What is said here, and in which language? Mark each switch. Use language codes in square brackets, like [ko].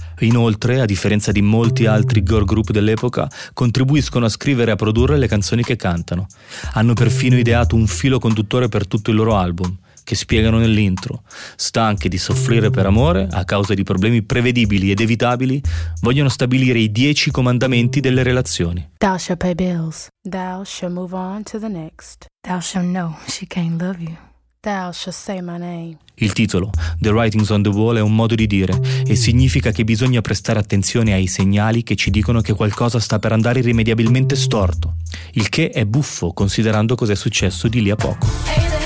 [it] Inoltre, a differenza di molti altri girl group dell'epoca, contribuiscono a scrivere e a produrre le canzoni che cantano. Hanno perfino ideato un filo conduttore per tutto il loro album, che spiegano nell'intro. Stanche di soffrire per amore a causa di problemi prevedibili ed evitabili, vogliono stabilire i 10 comandamenti delle relazioni. [en] Thou shalt pay bills. Thou shalt move on to the next. Thou shalt know she can't love you. Thou shalt say my name. [it] Il titolo, The Writings on the Wall, è un modo di dire e significa che bisogna prestare attenzione ai segnali che ci dicono che qualcosa sta per andare irrimediabilmente storto, il che è buffo considerando cos'è successo di lì a poco.